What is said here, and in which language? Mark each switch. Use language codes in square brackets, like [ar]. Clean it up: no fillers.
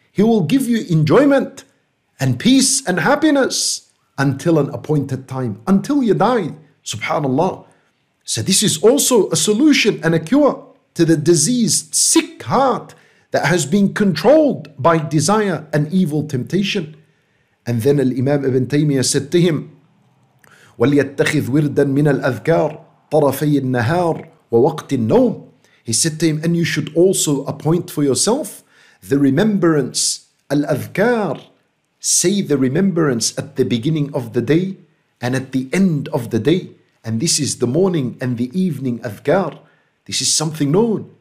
[en] He will give you enjoyment and peace and happiness until an appointed time, until you die. Subhanallah. So this is also a solution and a cure to the diseased, sick heart that has been controlled by desire and evil temptation. And then Al-Imam Ibn Taymiyyah said to him, [ar] وليتخذ وردا من الأذكار طرفي النهار ووقت النوم. [en] He said to him, and you should also appoint for yourself the remembrance, al-adhkar. Say the remembrance at the beginning of the day and at the end of the day. And this is the morning and the evening adhkar. This is something known.